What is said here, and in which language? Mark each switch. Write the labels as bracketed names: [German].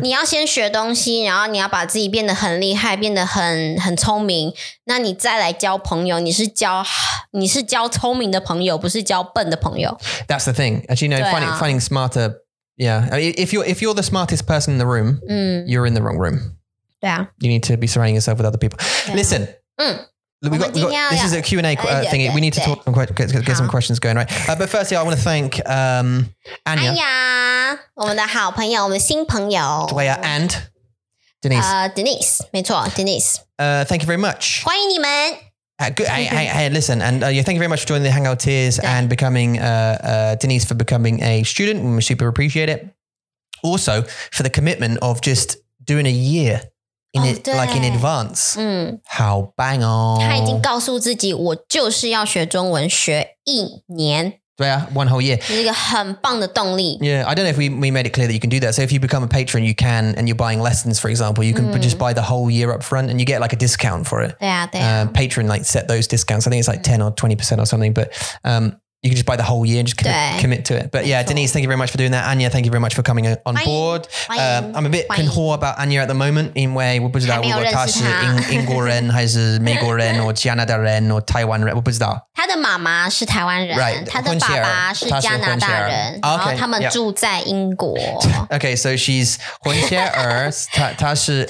[Chinese] 你要先学东西然后你要把自己变得很厉害变得 很聪明那你再来交朋友你是交聪明的朋友不是交笨的朋友 [English] That's the thing. As you know,、啊、finding smarter... Yeah, if you're the smartest person in the room,、 mm. you're in the wrong room. Yeah. You need to be surrounding yourself with other people.、Yeah. Listen,、 mm. we got, this is a Q&A thingy. We need to talk and get some questions going, right?、but firstly, I want to thank、Anya. [Chinese] Anya, 我们的好朋友我们的新朋友 [English] Dwayne and Denise.、 [Chinese] Denise, 没错 Denise.、 [English] thank you very much. [Chinese] 欢迎你们。 [English] Good, hey, listen, and、thank you very much for joining the Hangout Tears and becoming, Denise, for becoming a student. We super appreciate it. Also, for the commitment of just doing a year, like in advance.、 Mm. How bang on. [Chinese] 他已经告诉自己我就是要学中文学一年。 [English] 对啊 one whole year. [Chinese] 是一个很棒的动力。 [English] Yeah, I don't know if we made it clear that you can do that. So if you become a patron, you can, and you're buying lessons, for example, you can、mm. just buy the whole year up front and you get like a discount for it. [Chinese] 对啊对啊、 [English] patron like set those discounts. I think it's like 10 or 20% or something, but、you can just buy the whole year and just commit to it. But yeah, Denise, thank you very much for doing that. Anya, thank you very much for coming on board. I'm a bit conhor about Anya at the moment, [Chinese] 因为我不知道我他是英国人还是美国人或加拿大人或台湾人，我不知道。他的妈妈是台湾人 [English] right, [Chinese] 他的爸爸是加拿大人然后他们住在英国。 [English] Okay, so she's [Chinese] 混血儿他是